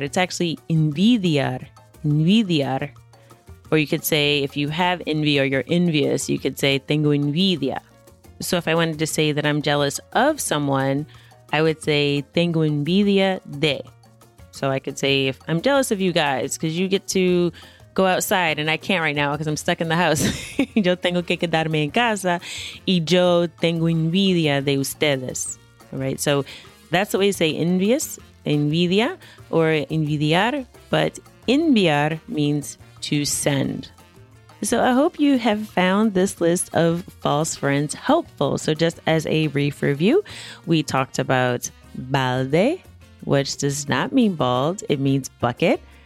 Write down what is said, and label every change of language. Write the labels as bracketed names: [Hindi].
[English] It's actually envidiar, envidiar. Or you could say, if you have envy or you're envious, you could say [Spanish] tengo envidia. [English] So if I wanted to say that I'm jealous of someone, I would say [Spanish] tengo envidia de. [English] So I could say, if I'm jealous of you guys because you get to go outside and I can't right now because I'm stuck in the house. [Spanish] Yo tengo que quedarme en casa y yo tengo envidia de ustedes. [English] All right, so that's the way you say envious, envidia, or envidiar, but enviar means to send. So I hope you have found this list of false friends helpful. So just as a brief review, we talked about balde, which does not mean bald, it means bucket.